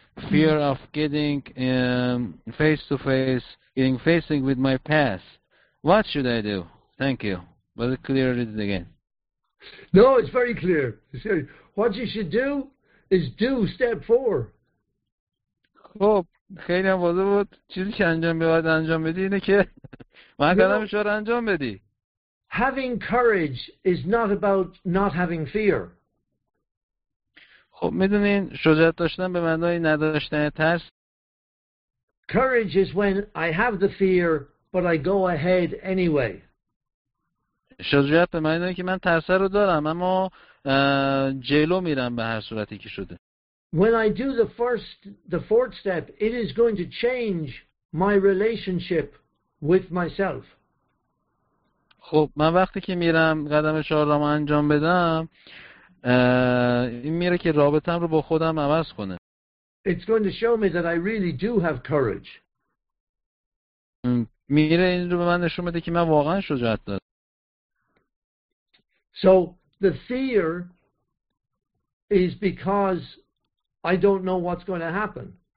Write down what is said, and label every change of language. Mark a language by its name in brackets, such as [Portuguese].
[English] Fear of getting face to face, getting facing with my past. What should I do? Thank you. Was it clear it again? No, it's very clear. What you should do is do step four. [Persian] خب خیلی هم واضح بود چیزی که انجام باید انجام بدی اینه که من قدم شو انجام بدی. [English] Having courage is not about not having fear. [Persian] خب میدونین شجاعت داشتن به معنای نداشتن ترس. [English] Courage is when I have the fear but I go ahead anyway. [Persian] شجاعت به معنای که من ترس رو دارم اما جلو میرم به هر صورتی که شده. [English] When I do the fourth step, it is going to change my relationship with myself. [Persian] خب من وقتی که میرم قدم چهارم انجام بدم این میره که رابطم رو با خودم عوض کنه. [English] It's going to show me that I really do have courage. [Persian] میره این رو به من نشون بده که من واقعا شجاعت دارم. [English] So the fear is because I don't know what's going to happen.